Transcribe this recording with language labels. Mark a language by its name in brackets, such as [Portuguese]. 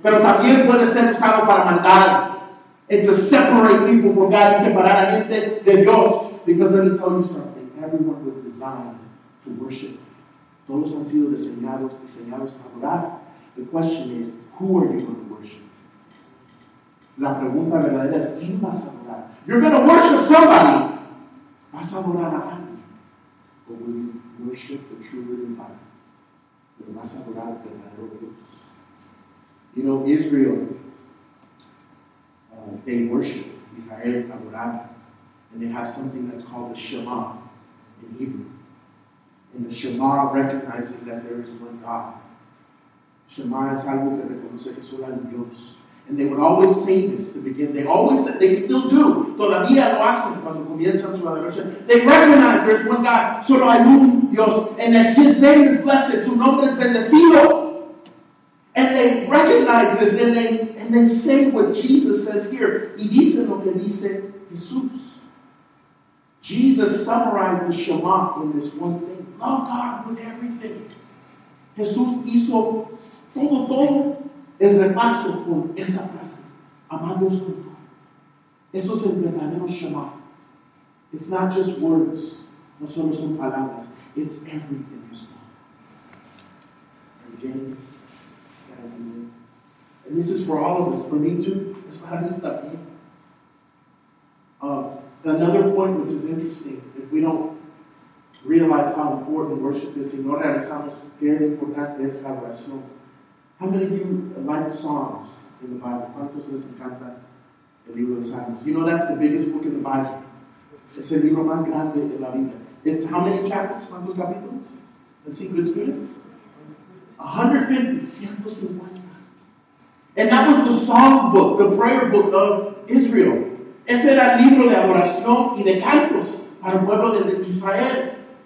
[Spanish] Pero también puede ser usado para maldad. [English] And to separate people from God. [Spanish] Separar a gente de Dios. [English] Because let me tell you something. Everyone was designed to worship. [Spanish] Todos han sido diseñados para adorar. [English] The question is, who are you going to worship? [Spanish] La pregunta verdadera es, ¿quién vas a adorar? [English] You're going to worship somebody. [Spanish] ¿Vas a adorar a alguien? [English] Or will you worship the true living God? [Spanish] ¿Pero vas a adorar al verdadero Dios? [English] You know, Israel, they worship. [Spanish] Israel adoraba. [English] And they have something that's called the Shema in Hebrew. And the Shema recognizes that there is one God. [Spanish] Shema es algo que reconoce que solo hay un Dios. [English] And they would always say this to begin. They still do. [Spanish] Todavía lo hacen cuando comienzan su adoración. [English] They recognize there's one God. [Spanish] Solo hay un Dios. [English] And that his name is blessed. [Spanish] Su nombre es bendecido. [English] And they recognize this. And they say what Jesus says here. [Spanish] Y dicen lo que dice Jesús. [English] Jesus summarized the Shema in this one thing. Love God with everything. [Spanish] Jesús hizo todo el repaso con esa frase. Amar Dios con todo. Eso es el verdadero Shema. [English] It's not just words. [Spanish] No solo son palabras. [English] It's everything, Jesús. And again, it's gotta be there. And this is for all of us. For me too. [Spanish] Es para mí también. [English] Another point which is interesting. If we don't realize how important worship is. [Spanish] Si no realizamos qué importante es la oración. [English] How many of you like songs in the Bible? [Spanish] ¿Cuántos les encanta el libro de Salmos? [English] You know that's the biggest book in the Bible. [Spanish] Es el libro más grande en la Biblia. [English] It's how many chapters? [Spanish] ¿Cuántos capítulos? [English] Let's see, good spirits. 150. And that was the song book, the prayer book of Israel. [Spanish] Ese era el libro de adoración y de cantos para el pueblo de Israel.